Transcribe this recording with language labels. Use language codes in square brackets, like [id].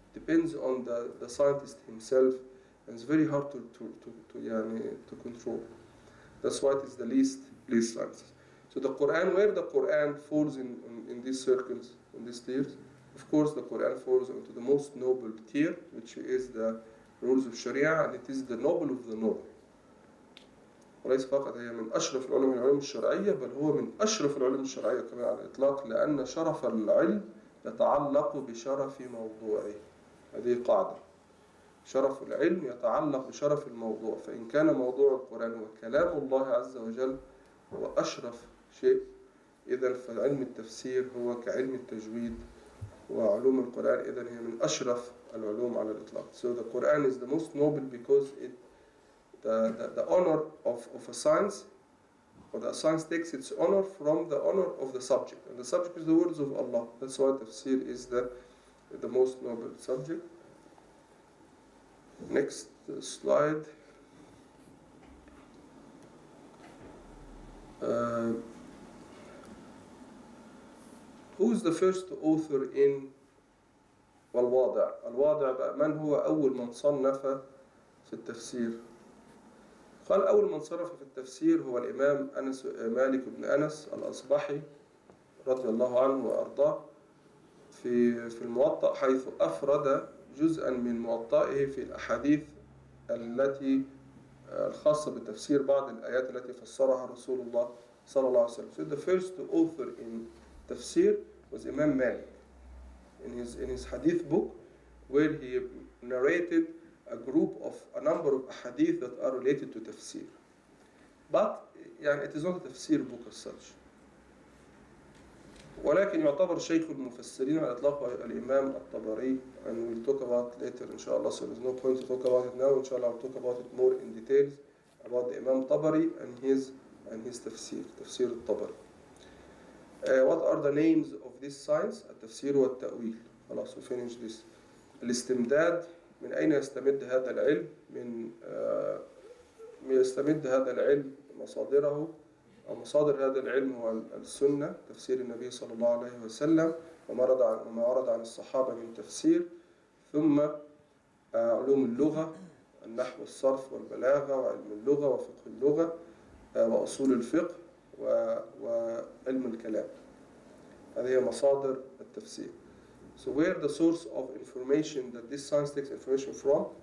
[en] Depends on the scientist himself, and it's very hard to control. That's why it is the least sciences. So the Quran, where the Quran falls in these circles, in these tiers? Of course, the Quran falls into the most noble tier, which is the rules of Sharia, and it is the noble of the noble. [ar] وليس فقط هي من أشرف العلوم العلوم الشرعية بل هو من أشرف العلوم الشرعية كما على الإطلاق لأن شرف العلم يتعلق بشرف موضوعه. هذه قاعدة. شرف العلم يتعلق بشرف الموضوع. فإن كان موضوع القرآن وكلام الله عز وجل هو أشرف شيء، إذن فعلم التفسير هو كعلم التجويد، وعلوم القرآن إذن هي من أشرف العلوم على الإطلاق. [en] So the Quran is the most noble because it the honor of a science, or the science takes its honor from the honor of the subject, and the subject is the words of Allah. That's why tafsir is the most noble subject. Next slide. Who is the first author in [ar] الواضع؟ الواضع بقى من هو أول من صنف في التفسير؟ قال أول من صنف في التفسير هو الإمام أنس مالك بن أنس الأصبحي رضي الله عنه وأرضاه في الموطأ، حيث أفرد جزءا من موطئه في الأحاديث التي الخاصة بالتفسير، بعض الآيات التي فسرها رسول الله صلى الله عليه وسلم. [en] So the first author in تفسير was Imam Malik in his hadith book, where he narrated a number of hadith that are related to tafsir. But يعني it is not a tafsir book as such. [ar] ولكن يعتبر شيخ المفسرين على إطلاق الإمام الطبري. [en] And we'll talk about later, inshallah. So there's no point to talk about it now. Inshallah, we'll talk about it more in details about the Imam Tabari and his tafsir, tafsir al-Tabari. What are the names of this science? [ar] التفسير والتأويل. [en] خلاص, we finish this. [ar] الاستمداد, من أين يستمد هذا العلم؟ من يستمد هذا العلم مصادره؟ أو مصادر هذا العلم هو السنة, تفسير النبي صلى الله عليه وسلم, وما ورد عن الصحابة من تفسير. ثم علوم اللغة, النحو والصرف والبلاغة وعلم اللغة وفقه اللغة وأصول الفقه وعلم الكلام. هذه هي مصادر التفسير. [en] So where are the source of information that this science takes information from?